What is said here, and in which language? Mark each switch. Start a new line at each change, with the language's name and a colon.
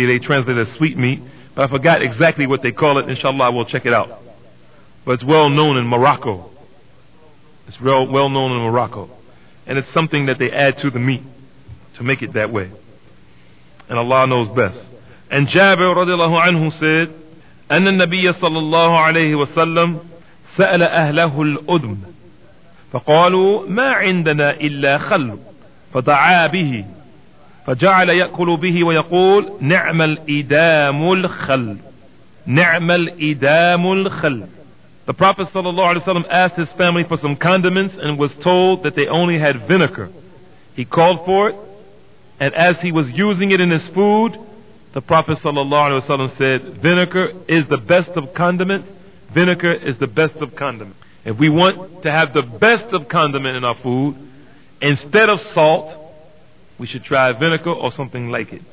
English: They translate it as sweet meat. But I forgot exactly what they call it. Inshallah, we'll check it out. But it's well known in Morocco. It's well known in Morocco. And it's something that they add to the meat to make it that way. And Allah knows best. And Jabir radiallahu anhu said,
Arabic: أن النبي صلى الله عليه وسلم سأل أهله الأدم فقالوا ما عندنا إلا خل فدعا به فجعل يأكل به ويقول نعم الإدام الخل نعم الإدام الخل.
English: The Prophet sallallahu alaihi wasallam asked his family for some condiments and was told that they only had vinegar. He called for it, and as he was using it in his food, the Prophet sallallahu alaihi wasallam said, "Vinegar is the best of condiments. Vinegar is the best of condiments. If we want to have the best of condiment in our food instead of salt, we should try vinegar or something like it."